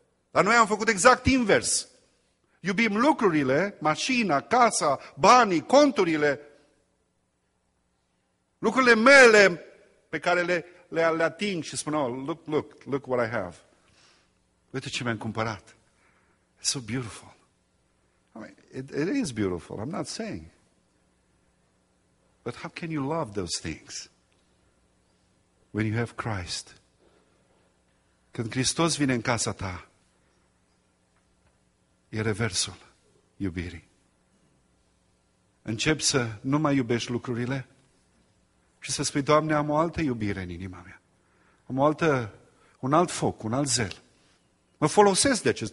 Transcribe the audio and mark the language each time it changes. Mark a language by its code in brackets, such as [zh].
[ro] Dar noi am făcut exact invers. Iubim lucrurile, mașina, casa, banii, conturile, lucrurile mele pe care le ating și spun, [en] oh, look what I have. [ro] Uite ce mi-am cumpărat. [en] It's so beautiful. I mean, it is beautiful, I'm not saying. But how can you love those things when you have Christ? [ro] Când Hristos vine în casa ta, e reversul iubirii. Începi să nu mai iubești lucrurile și să spui, Doamne, am o altă iubire în inima mea. Am un alt foc, un alt zel. Mă folosesc de acest.